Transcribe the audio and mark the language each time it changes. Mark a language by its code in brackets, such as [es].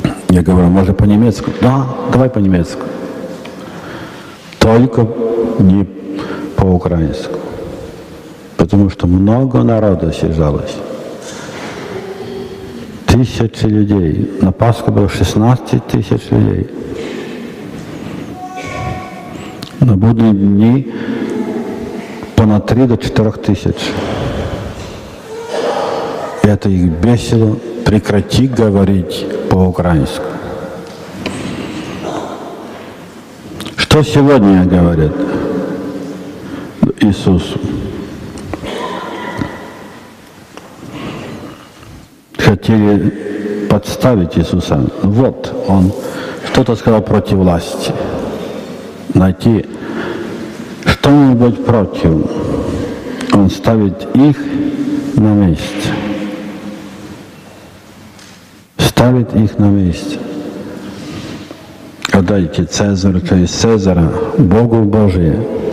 [ru] Я говорю, может по-немецку? Да, давай по-немецку. Только не по-украински. Потому что много народа съезжалось. Тысячи людей. На Пасху было 16 тысяч людей. [uk] На будні дні понад 3 до 4 тисяч. І це їх бесило. Прекрати говорити по-українську. Що сьогодні говорять Ісусу? Хотіли підставити Ісуса. Вот, Він щось сказав проти власті. [ru] Найти что-нибудь против, он ставит их на месте. Ставит их на месте. Отдайте Цезарю, то есть Цезаря, Богу Божие.